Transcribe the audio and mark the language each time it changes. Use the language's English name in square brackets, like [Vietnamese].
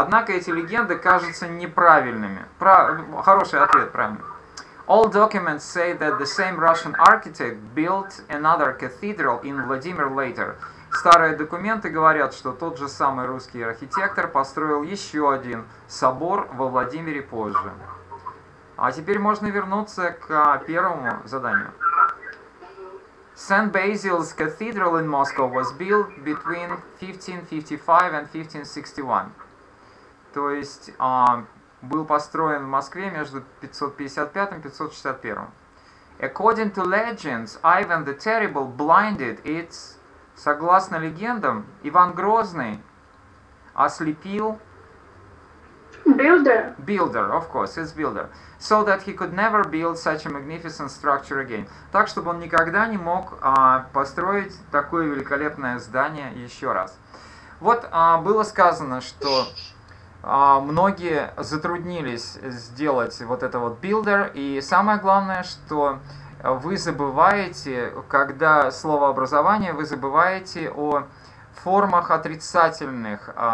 [Russian] Однако эти легенды кажутся неправильными. Хороший ответ, правильно. [English] All documents say that the same Russian architect built another cathedral in Vladimir later. [Russian] Старые документы говорят, что тот же самый русский архитектор построил еще один собор во Владимире позже. А теперь можно вернуться к первому заданию. [English] St. Basil's Cathedral in Moscow was built between 1555 and 1561. [Russian] То есть... был построен в Москве между 555 и 561. [English] According to legends, Ivan the Terrible blinded its... [Russian] Согласно легендам, Иван Грозный ослепил... [English] Builder. Builder, of course, it's builder. So that he could never build such a magnificent structure again. [Russian] Так, чтобы он никогда не мог построить такое великолепное здание еще раз. Вот было сказано, что... Многие затруднились сделать вот это вот builder, и самое главное, что вы забываете, когда слово образование, вы забываете о формах отрицательных.